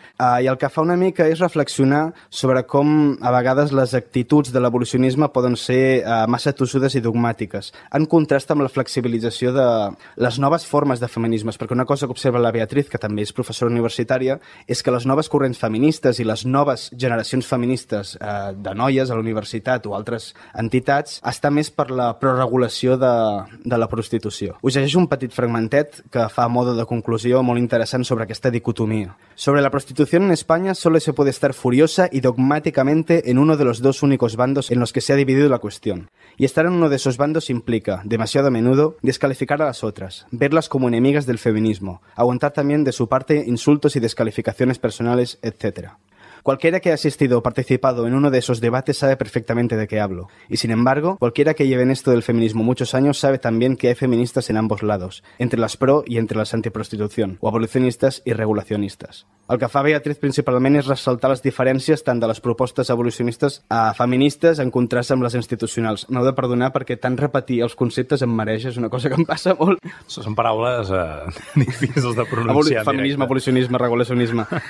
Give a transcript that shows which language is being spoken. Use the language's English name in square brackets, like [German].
[Catalan] I el que fa una mica és reflexionar sobre com a vegades les actituds de l'abolicionisme poden ser massa tossudes i dogmàtiques, en contrast amb la flexibilització de les noves formes de feminismes, perquè una cosa que observa la Beatriz, que també és professora universitària, és que les noves corrents feministes i les noves generacions feministes de noies a la universitat o altres entitats està més per la prorregulació de la prostitució. Us llegeixo un petit fragmentet que fa moda de conclusió molt interessant sobre aquesta dicotomia. [Spanish] Sobre la prostitución en España solo se puede estar furiosa y dogmáticamente en uno de los dos únicos bandos en los que se ha dividido la cuestión. Y estar en uno de esos bandos implica, demasiado a menudo, descalificar a las otras, verlas como enemigas del feminismo, aguantar también de su parte insultos y descalificaciones personales, etc. Cualquiera que haya asistido o participado en uno de esos debates sabe perfectamente de qué hablo. Y sin embargo, cualquiera que lleve en esto del feminismo muchos años sabe también que hay feministas en ambos lados, entre las pro y entre las antiprostitución, o abolicionistas y regulacionistas. [Catalan] El que fa Beatriz principalment és ressaltar les diferències tant de les propostes abolicionistes a feministes en contrast amb les institucionals. M'heu de perdonar perquè tant repetir els conceptes em mereix, és una cosa que em passa molt. Això són paraules difícils de pronunciar. Feminisme, abolicionisme, regulacionisme.